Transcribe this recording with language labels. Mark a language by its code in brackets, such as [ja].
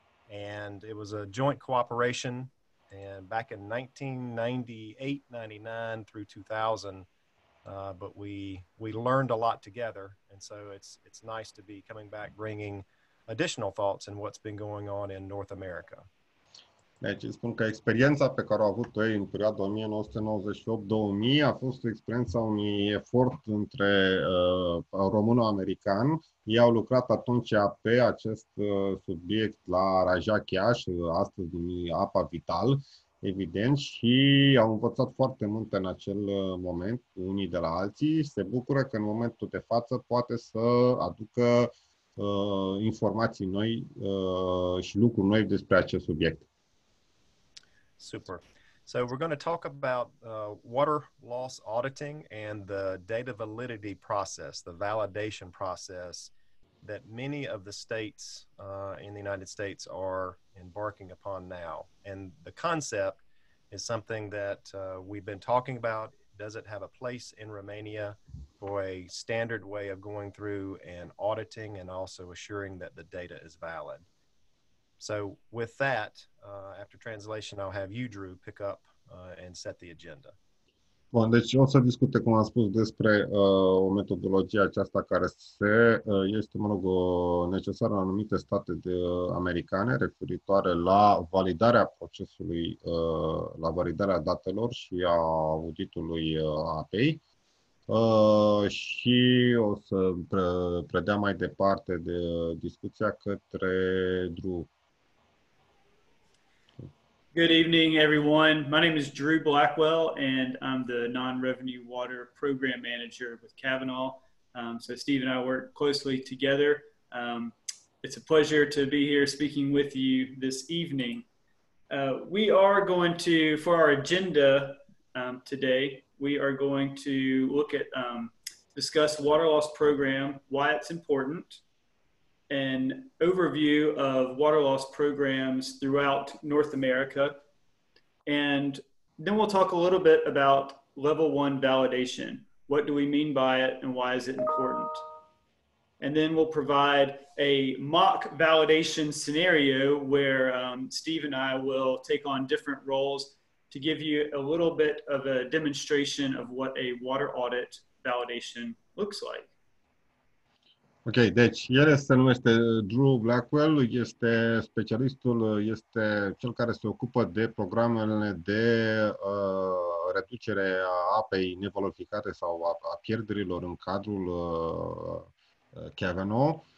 [en] And it was a joint cooperation. And back in 1998, 99 through 2000, but we learned a lot together. And so it's nice to be coming back bringing additional thoughts and what's been going on in North America. [ro] Deci spun că experiența pe care au avut-o ei în perioada 1998-2000 a fost experiența unui efort între româno-american. Ei au lucrat atunci pe acest subiect la Rajakiaș, astăzi numit Apa Vital, evident, și au învățat foarte multe în acel moment, unii de la alții. Se bucură că în momentul de față poate să aducă informații noi și lucruri noi despre acest subiect. [en] Super. So we're going to talk about water loss auditing and the data validity process, the validation process that many of the states in the United States are embarking upon now. And the concept is something that we've been talking about. Does it have a place in Romania for a standard way of going through and auditing and also assuring that the data is valid? So with that, after translation, I'll have you, Drew, pick up and set the agenda. [ro] Bun, deci o să discute, cum am spus, despre o metodologie aceasta care se este, mă rog, necesară în anumite state de americane referitoare la validarea procesului, la validarea datelor și a auditului APEI. Și o să predea mai departe de discuția către Drew. [en] Good evening, everyone. My name is Drew Blackwell, and I'm the Non-Revenue Water Program Manager with Cavanaugh. So Steve and I work closely together. It's a pleasure to be here speaking with you this evening. We are going to, for our agenda today, we are going to look at, discuss water loss program, why it's important, an overview of water loss programs throughout North America. And then we'll talk a little bit about level one validation. What do we mean by it and why is it important? And then we'll provide a mock validation scenario where Steve and I will take on different roles to give you a little bit of a demonstration of what a water audit validation looks like. [ro] Ok, deci el se numește Drew Blackwell, este specialistul, este cel care se ocupă de programele de reducere a apei nevalorificate sau a pierderilor în cadrul Cavanaugh.